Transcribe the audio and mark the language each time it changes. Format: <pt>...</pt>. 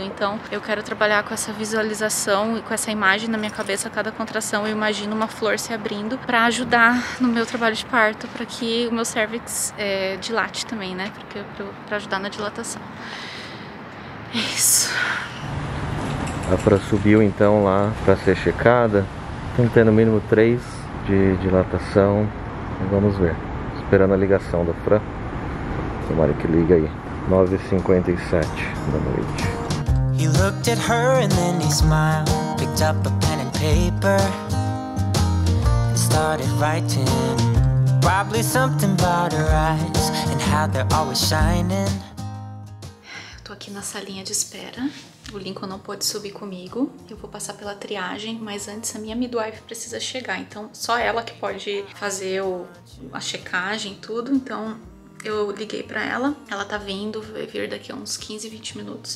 <pt>Então eu quero trabalhar com essa visualização e com essa imagem na minha cabeça, cada contração eu imagino uma flor se abrindo pra ajudar no meu trabalho de parto, pra que o meu cérvix dilate também, né? Pra ajudar na dilatação. É isso. A Fran subiu então lá pra ser checada. Estão tendo no mínimo 3 de dilatação. Vamos ver. Esperando a ligação da Fran. Tomara que liga aí. 9h57 da noite.</pt> <en>He looked at her and then he smiled. Picked up a pen and paper. Started writing. Probably something about her eyes and how they're always shining.</en> <pt>Tô aqui na salinha de espera. O Lincoln não pode subir comigo. Eu vou passar pela triagem, mas antes a minha midwife precisa chegar. Então só ela que pode fazer a checagem e tudo. Então eu liguei pra ela. Ela tá vindo, vai vir daqui a uns 15, 20 minutos.</pt>